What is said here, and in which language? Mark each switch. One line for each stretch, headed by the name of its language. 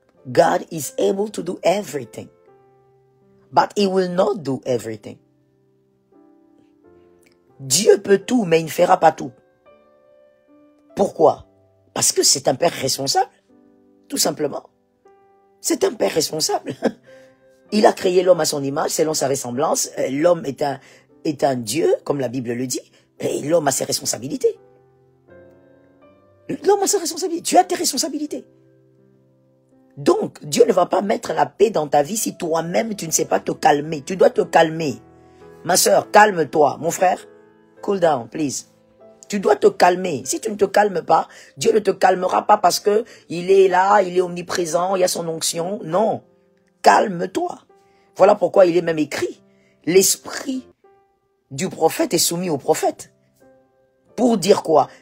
English: God is able to do everything. But he will not do everything.
French: Dieu peut tout, mais il ne fera pas tout. Pourquoi? Parce que c'est un père responsable, tout simplement. C'est un père responsable. Il a créé l'homme à son image, selon sa ressemblance. L'homme est un Dieu, comme la Bible le dit. Et l'homme a ses responsabilités. L'homme a ses responsabilités. Tu as tes responsabilités. Donc, Dieu ne va pas mettre la paix dans ta vie si toi-même, tu ne sais pas te calmer. Tu dois te calmer. Ma sœur, calme-toi. Mon frère,
English: cool down, please.
French: Tu dois te calmer. Si tu ne te calmes pas, Dieu ne te calmera pas parce qu'il est là, il est omniprésent, il y a son onction. Non, calme-toi. Voilà pourquoi il est même écrit. L'esprit du prophète est soumis au prophète. Pour dire quoi?